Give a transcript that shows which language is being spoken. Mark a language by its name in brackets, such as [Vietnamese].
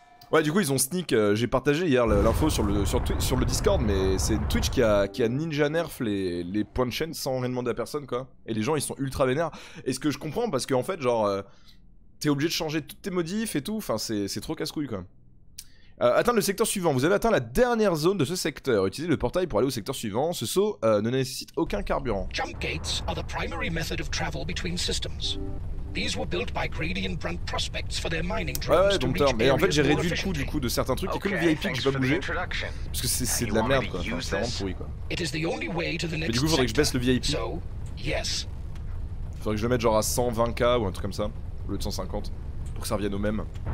[French] Ouais du coup ils ont sneak, j'ai partagé hier l'info sur le Discord, mais c'est Twitch qui a ninja nerf les points de chaîne sans rien demander à personne quoi. Et les gens ils sont ultra vénères. Et ce que je comprends parce que en fait genre t'es obligé de changer toutes tes modifs et tout, enfin c'est trop casse-couille quoi. Atteindre le secteur suivant, vous avez atteint la dernière zone de ce secteur. Utilisez le portail pour aller au secteur suivant. Ce saut ne nécessite aucun carburant. [English] Jump gates are the primary method of travel between systems. These were built by Greedy and Brunt prospects for their mining drones. [French] Ouais, Dompteur, mais en fait j'ai réduit le coût du coup de certains trucs. Okay, et que le VIP que j'ai pas bougé. Parce que c'est de la merde quoi, enfin, c'est vraiment pourri quoi. Mais du coup faudrait que je baisse le VIP. [English] So, yes. [French] Faudrait que je le mette genre à 120k ou un truc comme ça. Au lieu de 150. Pour que ça revienne au même.